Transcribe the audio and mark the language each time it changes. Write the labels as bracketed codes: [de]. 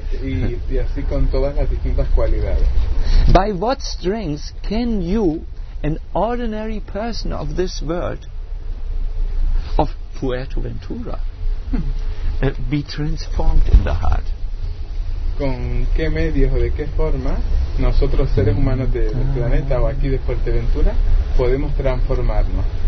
[es] Y así con todas las distintas cualidades. [en] By what strengths can you, an ordinary person of this world, of Fuerteventura, be transformed in the heart? [es] ¿Con qué medios o de qué forma nosotros seres humanos del planeta o aquí de Fuerteventura podemos transformarnos?